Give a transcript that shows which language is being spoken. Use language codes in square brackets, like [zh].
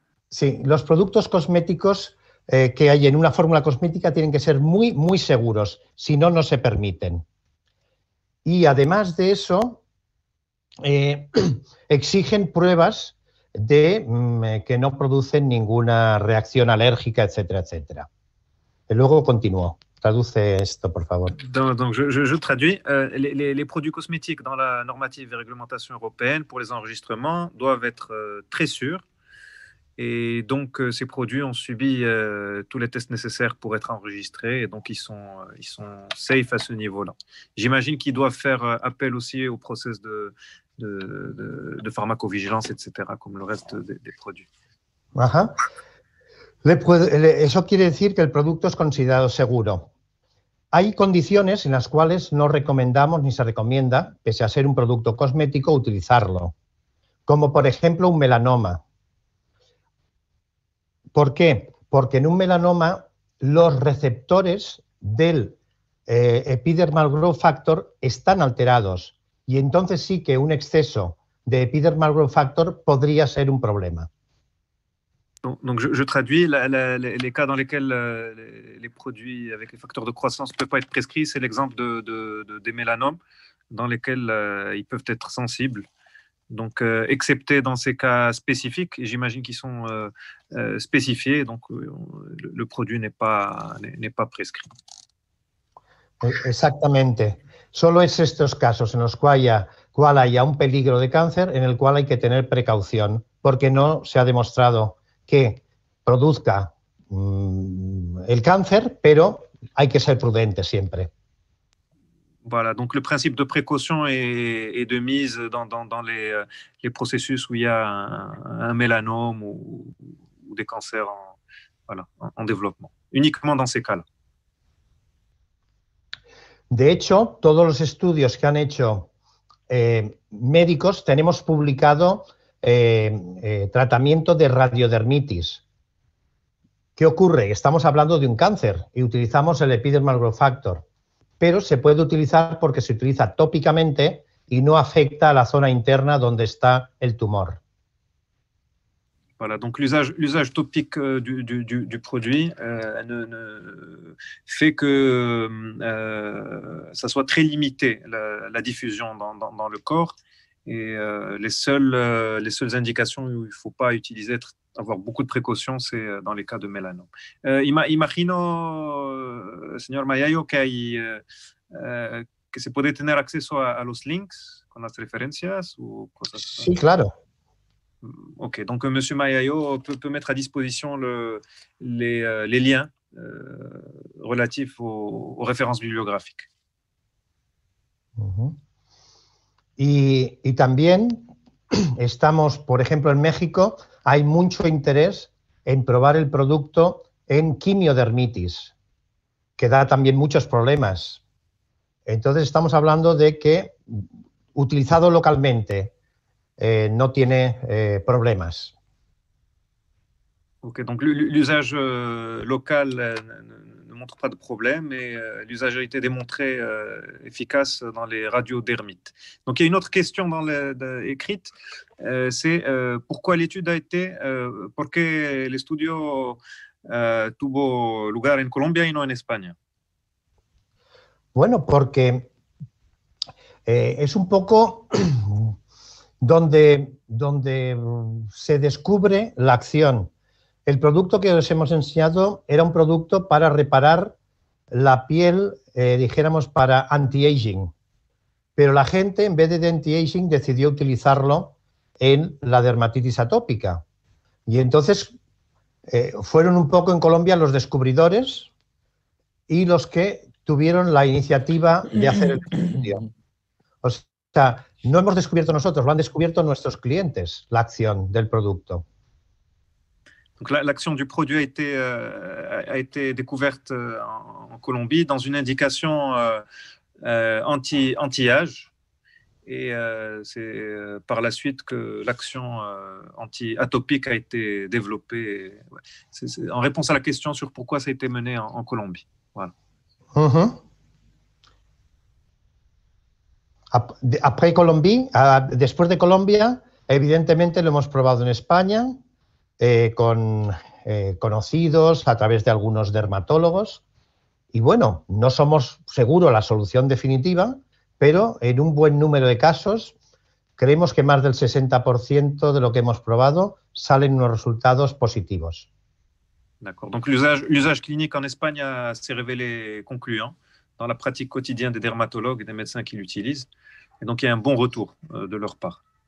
[es] Sí, los productos cosméticos que hay en una fórmula cosmética tienen que ser muy, muy seguros, si no, no se permiten. Y además de eso, exigen pruebas de que no producen ninguna reacción alérgica, etcétera, etcétera. Y luego continúo. Traduce esto, por favor. [fr] Donc, je traduis. Les produits cosmétiques dans la normative et réglementation européenne pour les enregistrements doivent être très sûrs. Et donc, ces produits ont subi tous les tests nécessaires pour être enregistrés. Et donc, ils sont safe à ce niveau-là. J'imagine qu'ils doivent faire appel aussi au process de pharmacovigilance, etc., comme le reste des produits. [es] Ah, eso quiere decir que el producto es considerado seguro. Hay condiciones en las cuales no recomendamos ni se recomienda, pese a ser un producto cosmético, utilizarlo. Como por ejemplo un melanoma. ¿Por qué? Porque en un melanoma los receptores del epidermal growth factor están alterados. Y entonces sí que un exceso de epidermal growth factor podría ser un problema. [fr] Donc je traduis, les cas dans lesquels les produits avec les facteurs de croissance ne peuvent pas être prescrits, c'est l'exemple des mélanomes dans lesquels ils peuvent être sensibles. Donc, excepté dans ces cas spécifiques, j'imagine qu'ils sont spécifiés, donc le produit n'est pas prescrit. Exactement. [es] Solo es estos casos en los cuales hay un peligro de cáncer en el cual hay que tener precaución, porque no se ha demostrado que produzca el cáncer, pero hay que ser prudente siempre. [fr] Voilà, donc le principe de précaution est de mise dans les processus où il y a un mélanome ou des cancers en développement, uniquement dans ces cas-là. [es] De hecho, todos los estudios que han hecho médicos tenemos publicado tratamiento de radiodermitis. ¿Qué ocurre? Estamos hablando de un cáncer y utilizamos el epidermal growth factor, pero se puede utilizar porque se utiliza tópicamente y no afecta a la zona interna donde está el tumor. [fr] Voilà, donc l'usage topique du produit ne fait que ça soit très limité la diffusion dans le corps. Et les seules indications où il ne faut pas utiliser, avoir beaucoup de précautions, c'est dans les cas de mélanome. [es] Imagino, señor Mayayo, que se puede tener acceso a los links con las referencias o cosas. Sí, claro. [fr] Ok, donc monsieur Mayayo peut mettre à disposition les liens relatifs aux références bibliographiques. [es] Y también estamos, por ejemplo, en México, hay mucho interés en probar el producto en quimiodermitis, que da también muchos problemas. Entonces, estamos hablando de que, utilizado localmente, no tiene problemas. [fr] Ok, donc l'usage local ne montre pas de problème et l'usage a été démontré efficace dans les radiodermites. Donc il y a une autre question dans écrite, c'est pourquoi l'étude a été, pourquoi [es] l'estudio tuvo lugar en Colombia y no en España? Bueno, porque es un poco donde se descubre la acción. El producto que os hemos enseñado era un producto para reparar la piel, dijéramos, para anti-aging. Pero la gente, en vez de anti-aging, decidió utilizarlo en la dermatitis atópica. Y entonces fueron un poco en Colombia los descubridores y los que tuvieron la iniciativa de hacer el estudio. O sea, no hemos descubierto nosotros, lo han descubierto nuestros clientes, la acción del producto. [fr] Donc, l'action du produit a été découverte en Colombie dans une indication anti-âge. Et c'est par la suite que l'action anti-atopique a été développée. C'est en réponse à la question sur pourquoi ça a été mené en Colombie. Voilà. Après Colombie, [es] después de Colombia, evidentemente lo hemos probado en España con conocidos a través de algunos dermatólogos. Y bueno, no somos seguro la solución definitiva, pero en un buen número de casos creemos que más del 60% de lo que hemos probado salen unos resultados positivos. [fr] D'accord. Donc l'usage clinique en Espagne s'est révélé concluant dans la pratique quotidienne des dermatologues et des médecins qui l'utilisent. Et donc, il y a un bon retour de leur part.